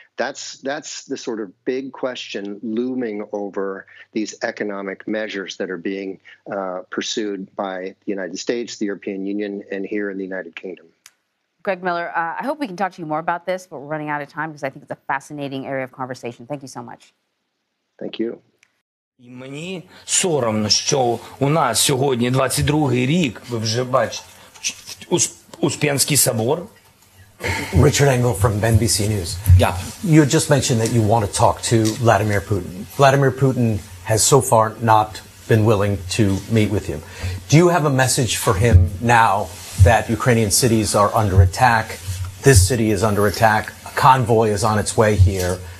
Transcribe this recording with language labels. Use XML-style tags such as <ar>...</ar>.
<en>That's the sort of big question looming over these economic measures that are being pursued by the United States, the European Union, and here in the United Kingdom. Greg Miller, I hope we can talk to you more about this, but we're running out of time because I think it's a fascinating area of conversation. Thank you so much. Thank you.</en> <uk>І мені соромно, що у нас сьогодні 22-й рік, ви вже бачите, Успенський собор.</uk> <en>Richard Engel from NBC News. Yeah. You just mentioned that you want to talk to Vladimir Putin. Vladimir Putin has so far not been willing to meet with him. Do you have a message for him now that Ukrainian cities are under attack? This city is under attack. A convoy is on its way here.</en>